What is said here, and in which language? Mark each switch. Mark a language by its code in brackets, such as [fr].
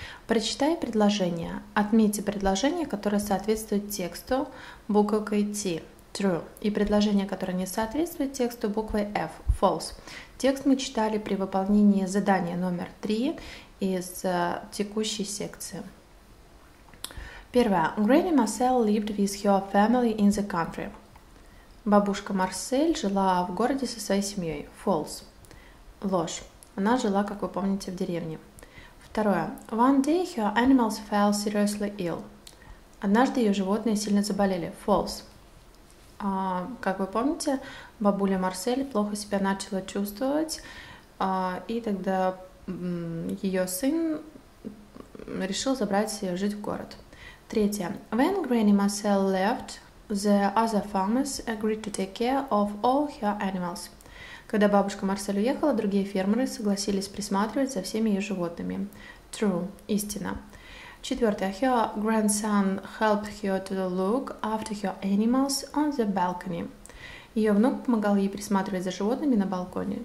[ru] Прочитай предложение. Отметьте предложение, которое соответствует тексту буквой T, true, и предложение, которое не соответствует тексту буквой F, false. Текст мы читали при выполнении задания номер 3 из текущей секции. Первое. [en] Granny Marcel lived with her family in the country. [ru] Бабушка Марсель жила в городе со своей семьей. [en] False. [ru] Ложь. Она жила, как вы помните, в деревне. Второе. [en] One day her animals fell seriously ill. [ru] Однажды ее животные сильно заболели. [en] False. [ru] Как вы помните, бабуля Марсель плохо себя начала чувствовать, и тогда ее сын решил забрать ее жить в город. Третье. [en] When Granny Marcel left, the other farmers agreed to take care of all her animals. [ru] Когда бабушка Марсель уехала, другие фермеры согласились присматривать за всеми ее животными. [en] True. [ru] Истина. Четвертое. [en] Her grandson helped her to look after her animals on the balcony. [ru] Ее внук помогал ей присматривать за животными на балконе.